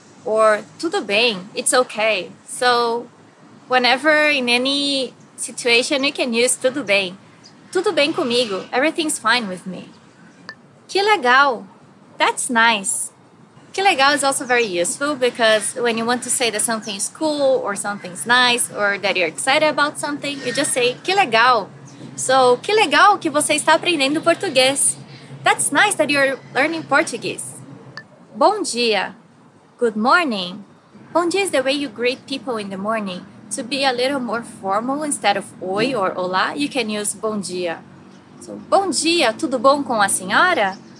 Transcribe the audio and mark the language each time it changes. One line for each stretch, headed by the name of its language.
English: Or tudo bem? It's okay. So, whenever in any situation you can use tudo bem comigo. Everything's fine with me. Que legal. That's nice. Que legal is also very useful because when you want to say that something's cool or something's nice or that you're excited about something, you just say que legal.
Portuguese: So, que legal que você está aprendendo português.
English: That's nice that you're learning Portuguese. Bom dia. Good morning. Bom dia is the way you greet people in the morning. To be a little more formal, instead of oi or olá, you can use bom dia.
Portuguese: So, bom dia, tudo bom com a senhora?